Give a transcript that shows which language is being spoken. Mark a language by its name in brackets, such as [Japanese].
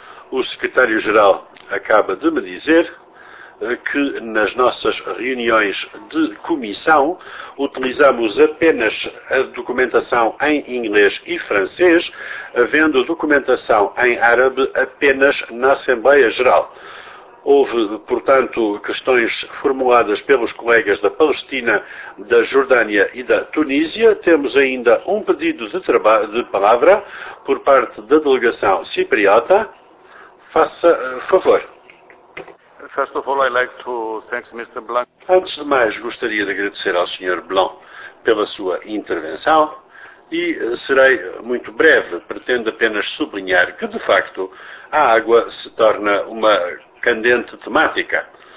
[Portuguese] O Secretário-Geral acaba de me dizer que nas nossas reuniões de comissão utilizamos apenas a documentação em inglês e francês, havendo documentação em árabe apenas na Assembleia Geral. Houve, portanto, questões formuladas pelos colegas da Palestina, da Jordânia e da Tunísia. Temos ainda um pedido de palavra por parte da delegação cipriota. Faça favor. [English] First of all, I'd like to thank Mr. Blanc. [Portuguese] Antes de mais, gostaria de agradecer ao Sr. Blanc pela sua intervenção e serei muito breve. Pretendo apenas sublinhar que, de facto, a água se torna uma candente temática.